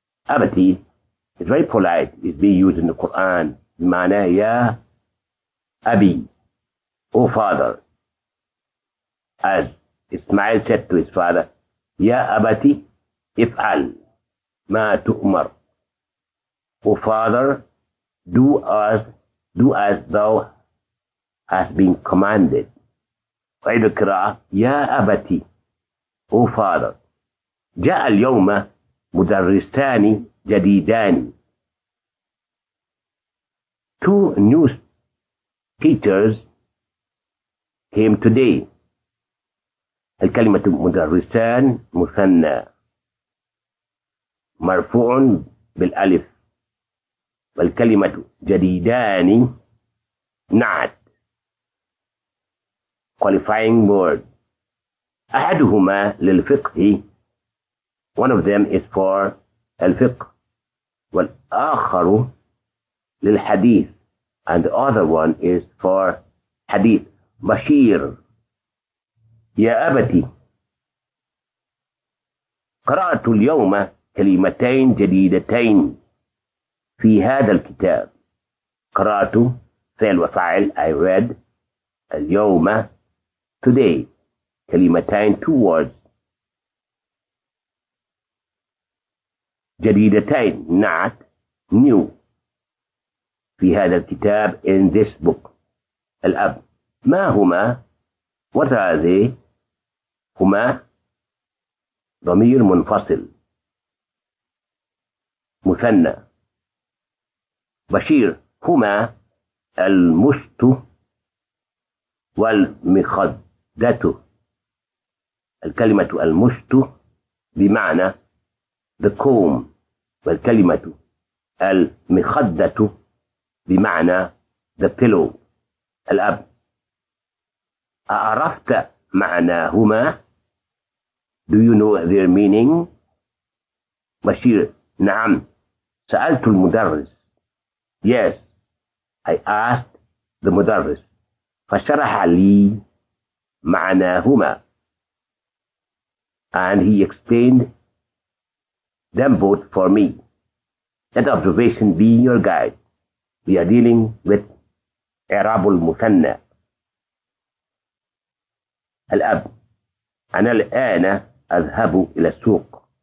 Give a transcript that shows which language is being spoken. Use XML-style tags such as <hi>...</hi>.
<en>أبتي is very polite. It's being used in the Quran.</en> <ar>معنى يا أبي أو father.</ar> <en>As Ismail said to his father</en> <ar>يا أبتي افعل ما تؤمر.</ar> <en>أو father do as thou hast been commanded.</en> <ar>وعيد القراءة يا أبتي أو father. جاء اليوم مدرسان جديدان.</ar> <en>Two new teachers came today.</en> <ar>الكلمة مدرسان مثنى مرفوع بالألف والكلمة جديدان نعت</ar> <en>qualifying word.</en> <ar>أحدهما للفقه.</ar> <en>One of them is for</en> <ar>الفقه والآخر للحديث</ar> <en>and the other one is for</en> <ar>حديث بشير. يا أبتي قرأت اليوم كلمتين جديدتين في هذا الكتاب. قرأت فعل وفعل</ar> <en>I read اليوم today كلمتين two words جديدتين not new</en> <ar>في هذا الكتاب</ar> <en>in this book.</en> <ar>الأب ما هما</ar> <en>what are they</en> <ar>هما ضمير منفصل مثنى بشير هما المشط والمخدة الكلمة المشط بمعنى</ar> <en>the comb</en> <ar>والكلمة المخدة بمعنى</ar> <en>the pillow.</en> <ar>الأب أعرفت معناهما</ar> <en>Do you know their meaning?</en> <ar>بشير نعم سألت المدرس</ar> <en>Yes I asked the مدرس</en> <ar>فشرح لي معناهما</ar> <en>And he explained them both for me Let observation be your guide We are dealing with</en> <ar>إعراب المثنى الأب أنا الآن أذهب إلى السوق.</ar>